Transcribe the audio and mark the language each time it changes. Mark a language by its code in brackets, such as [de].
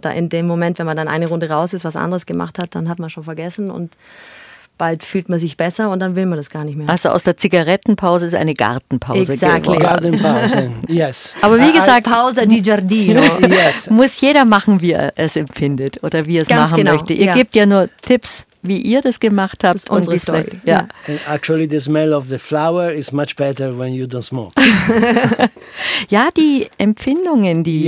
[de] Da in dem Moment, wenn man dann eine Runde raus ist, was anderes gemacht hat, dann hat man schon vergessen und bald fühlt man sich besser und dann will man das gar nicht mehr. Also aus der Zigarettenpause ist eine Gartenpause geworden. Gartenpause, yes. Aber wie gesagt, [it] Pausa di Giardino. [en] Yes. [de] Muss jeder machen, wie er es empfindet oder wie er es ganz machen genau. möchte. Ihr gebt ja nur Tipps, wie ihr das gemacht habt. Das ist unsere Story. Ja. [en] Actually, the smell of the flower is much better when you don't smoke. [de] Ja, die Empfindungen, die...